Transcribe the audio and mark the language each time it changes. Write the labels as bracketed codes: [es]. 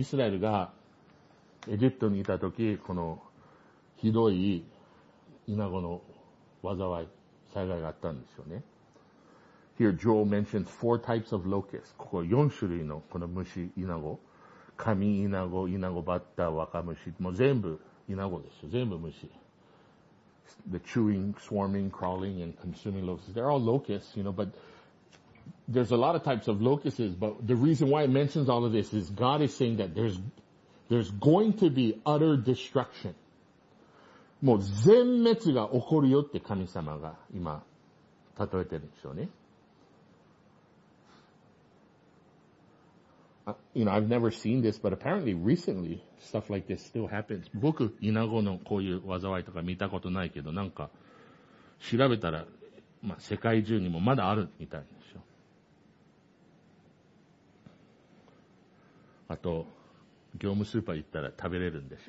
[ja] イスラエルがエジプトにいたとき、このひどいイナゴの災い、災害があったんですよね。 [en] Here, Joel mentions four types of locusts. [ja] ここ四種類のこの虫、イナゴ。神イナゴ、イナゴバッタ、若虫。もう全部イナゴですよ。全部虫。 [en] The chewing, swarming, crawling, and consuming locusts. They're all locusts, you know, but there's a lot of types of locusts, but the reason why it mentions all of this is God is saying that there's going to be utter destruction. [ja] もう全滅が起こるよって神様が今例えてるんでしょうね。 [en] You know, I've never seen this, but apparently recently, stuff like this still happens. [ja] 僕、イナゴのこういう災いとか見たことないけど、なんか、調べたら、まあ、世界中にもまだあるみたいでしょ。あと、業務スーパー行ったら食べれるんです